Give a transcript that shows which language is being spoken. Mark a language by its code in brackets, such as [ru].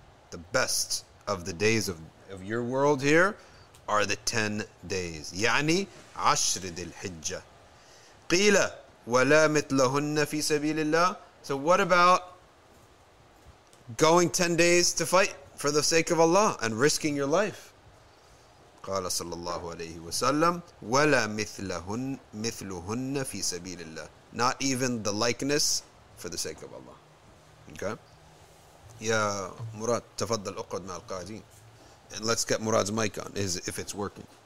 [en] The best of the days of your world here are the 10 days. [ar] يعني عشر ذي الحجة. قيل ولا مثلهن في سبيل الله. [en] So what about going 10 days to fight for the sake of Allah and risking your life? [ar] قال صلى الله عليه وسلم ولا مثلهن مثلهن في سبيل الله. [en] Not even the likeness for the sake of Allah. Okay. [ar] يا مراد تفضل اقعد مع القاعدين. [en] And let's get Murad's mic on, is if it's working.